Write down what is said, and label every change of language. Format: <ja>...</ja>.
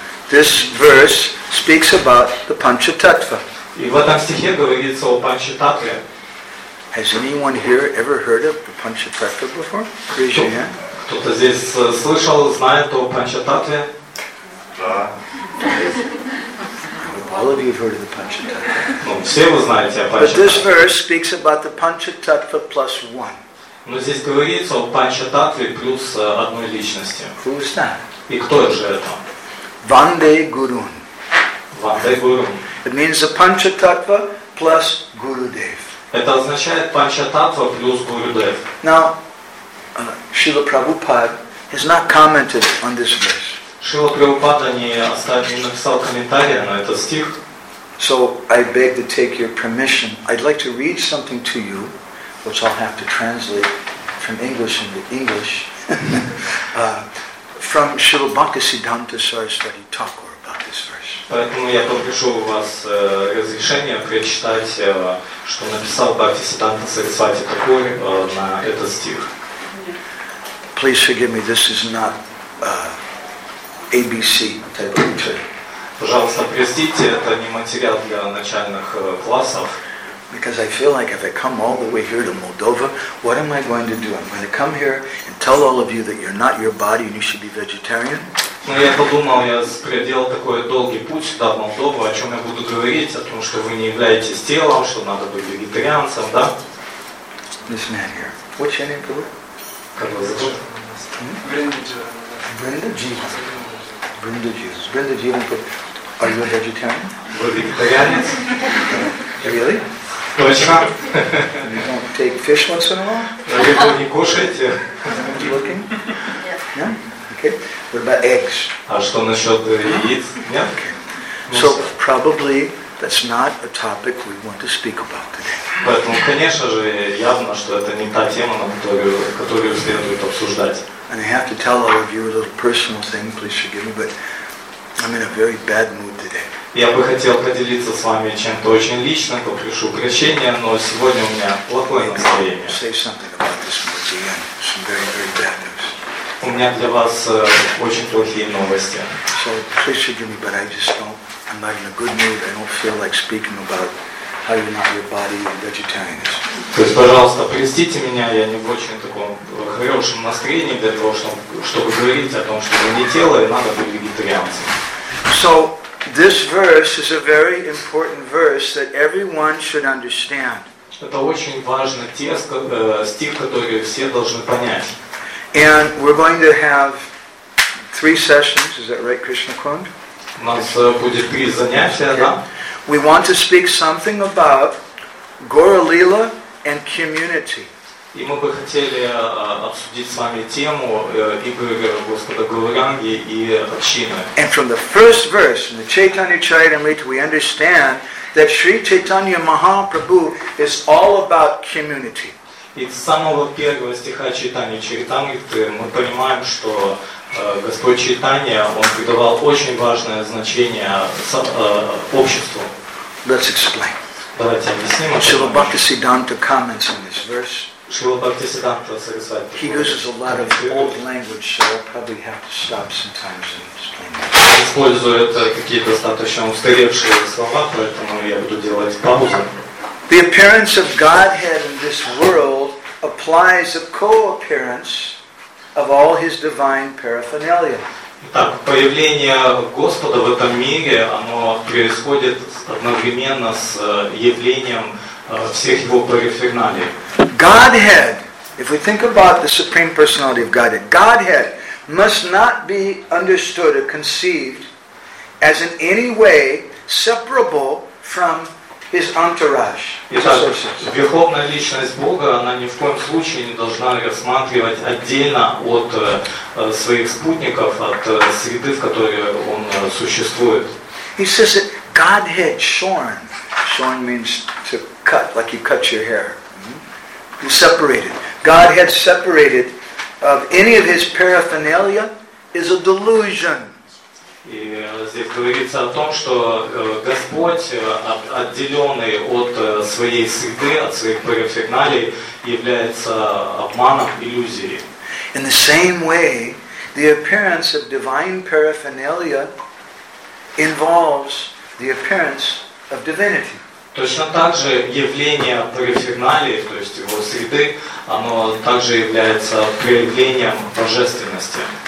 <en>This verse speaks about the Панчататва.</en> <ru>И в этом стихе говорится о Панчататве.</ru> <en>Has anyone here ever heard of the Панчататва before? Raise your hand.</en> <ru>Кто-то здесь слышал, знает о Панчататве? Да.</ru> <en>All of you have heard of the Panchatattva.</en> <ru>Ну, все вы знаете о Панчататве.</ru> <en>But this verse speaks about the Panchatattva plus one.</en> <ru>Но здесь говорится о Панчататве плюс одной личности.</ru> <en>Who's that?</en> <ru>И кто же это?</ru> <sa>Ванде Гурун. Ванде Гурун.</sa> <en>It means the Panchatattva plus Gurudev.</en> <ru>Это означает Панчататва плюс Гурудев.</ru> <en>Now, Шрила Прабхупада has not commented on this verse.</en> <ru>Шрила Прабхупада не написал комментария на этот стих.</ru> <en>So I beg to take your permission. I'd like to read something to you, which I'll have to translate from English into English, from Шрила Бхактисиддханта Сарасвати Тхакур about this verse.</en> <ru>Поэтому я попрошу у вас разрешение прочитать, что написал Бхактисиддханта Сарасвати Тхакур на этот стих.</ru> <en>Please forgive me, this is not... ABC type of material.</en> <ru>Пожалуйста, простите, это не материал для начальных классов.</ru> <en>Because I feel like if I come all the way here to Moldova, what am I going to do? I'm going to come here and tell all of you that you're not your body and you should be vegetarian?</en> <ru>Ну, я подумал, я проделал такой долгий путь сюда, в Молдову, о чем я буду говорить, о том, что вы не являетесь телом, что надо быть вегетарианцем, да?</ru> <en>This man here. What's your name, Pilar?</en> <ru>Как вас зовут?</ru> <en>Brenda Jeeva. Brenda Jesus. Brenda Jesus, but are you a vegetarian? Vegetarians? Really?</en> <ru>Точно.</ru> <en>You don't take fish once in a while?</en> <ru>Вы этого не кушаете?</ru> <en>Are you looking? Yeah. Okay. What about eggs?</en> <ru>А что насчет яиц?</ru> <en>So probably that's not a topic we want to speak about today.</en> <ru>Поэтому, конечно же, явно, что это не та тема, которую следует обсуждать.</ru> <en>And I have to tell all of you a little personal thing, please forgive me, but I'm in a very bad mood today.</en> <ru>Я бы хотел поделиться с вами чем-то очень личным, попрошу прощения, но сегодня у меня плохое настроение.</ru> <en>Say something about this mood again. Some very, very bad news.</en> <ru>У меня для вас очень плохие новости.</ru> <en>So please forgive me, but I just don't, I'm not in a good mood, I don't feel like speaking about how you're not your body and vegetarianism.</en> <ru>То есть, пожалуйста, простите меня, я не в очень таком хорошем настроении для того, чтобы говорить о том, что вы не тело, и надо быть вегетарианцем.</ru> <en>So, this verse is a very important verse that everyone should understand.</en> <ru>Это очень важный текст, стих, который все должны понять.</ru> <en>And we're going to have three sessions, is that right, Krishna Kund?</en> <ru>У нас будет три занятия, okay. Да?</ru> <en>We want to speak something about Gauralila and community.</en> <ru>И мы бы хотели обсудить с вами тему игры Господа Гауранги и общины.</ru> <en>And from the first verse in the Chaitanya Charitamrita, we understand that Sri Chaitanya Mahaprabhu is all about community.</en> <ru>И с самого первого стиха Chaitanya Charitamrita мы понимаем, что Господь Чайтанья, он придавал очень важное значение обществу.</ru> <en>Let's explain.</en> <ru>Давайте объясним.</ru> <en>Шрила Бхактисиддханта comments on this verse. He uses a lot of old language, so I'll probably have to stop sometimes and explain that.</en> <ru>Использует какие-то достаточно устаревшие слова, поэтому я буду делать паузу.</ru> <en>The appearance of Godhead in this world applies a co-appearance of all His divine paraphernalia.</en> <ru>Так, появление Господа в этом мире, оно происходит одновременно с явлением всех Его парафернали.</ru> <en>Godhead, if we think about the Supreme Personality of Godhead, Godhead must not be understood or conceived as in any way separable from His entourage.</en> <ru>Итак, Верховная Личность Бога, она ни в коем случае не должна рассматривать отдельно от своих спутников, от среды, в которой Он существует.</ru> <en>He says that Godhead shorn. Shorn means to cut, like you cut your hair. Separated. Godhead separated of any of His paraphernalia is a delusion.</en> <ru>И здесь говорится о том, что Господь, отделенный от своей среды, от своих параферналий, является обманом, иллюзией.</ru> <en>In the same way, the appearance of divine paraphernalia involves the appearance of divinity.</en> <ru>Точно так же явление параферналии, то есть его среды, оно также является проявлением божественности.</ru>